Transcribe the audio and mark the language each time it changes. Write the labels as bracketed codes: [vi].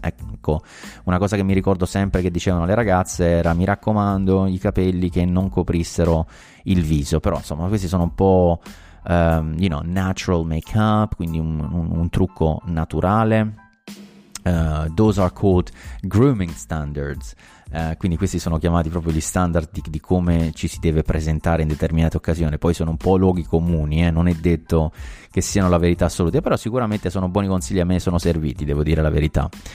[it] Ecco, una cosa che mi ricordo sempre che dicevano le ragazze era: mi raccomando, i capelli che non coprissero il viso. Però insomma questi sono un po', [en] you know, natural makeup, [it] quindi un trucco naturale. [en] Those are called grooming standards. [it] Quindi questi sono chiamati proprio gli standard di come ci si deve presentare in determinate occasioni. Poi sono un po' luoghi comuni, non è detto che siano la verità assoluta, però sicuramente sono buoni consigli, a me sono serviti, devo dire la verità.